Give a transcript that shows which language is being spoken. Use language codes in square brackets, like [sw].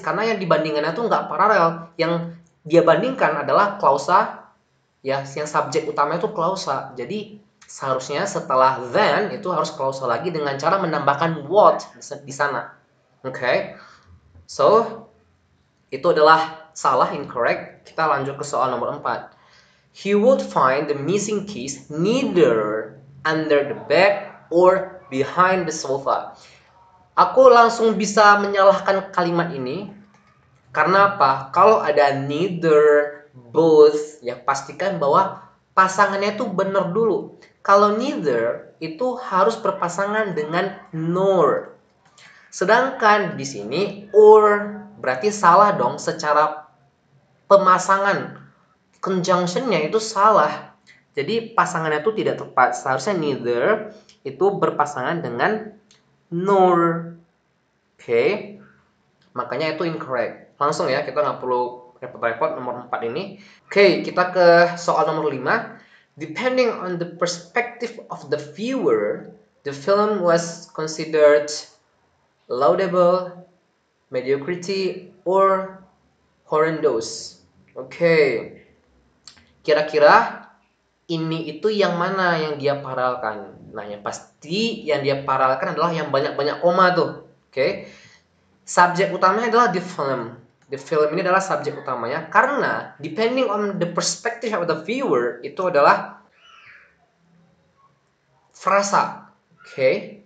[id] Karena yang dibandingannya tuh nggak paralel. Yang dia bandingkan adalah klausa, ya, yang subjek utamanya tuh klausa. Jadi seharusnya setelah then itu harus klausa lagi dengan cara menambahkan what di sana. Oke. Okay. So, itu adalah salah, incorrect. Kita lanjut ke soal nomor 4. [en] He would find the missing keys neither under the bed or behind the sofa. [id] Aku langsung bisa menyalahkan kalimat ini. Karena apa? Kalau ada neither, both, ya pastikan bahwa pasangannya itu benar dulu. Kalau neither itu harus berpasangan dengan nor. Sedangkan di sini or berarti salah dong secara pemasangan. conjunction-nya itu salah. Jadi pasangannya itu tidak tepat. Seharusnya neither itu berpasangan dengan nor. Okay. Makanya itu incorrect. Langsung ya, kita nggak perlu repot-repot nomor 4 ini. Okay, kita ke soal nomor 5. [en] Depending on the perspective of the viewer, the film was considered laudable, mediocrity, or horrendous. Okay. [id] Kira-kira ini itu yang mana yang dia paralkan? Nah, yang pasti yang dia paralkan adalah yang banyak-banyak koma tuh. Okay. Subjek utamanya adalah the film. The film ini adalah subjek utamanya karena depending on the perspective of the viewer itu adalah frasa. Oke. Okay.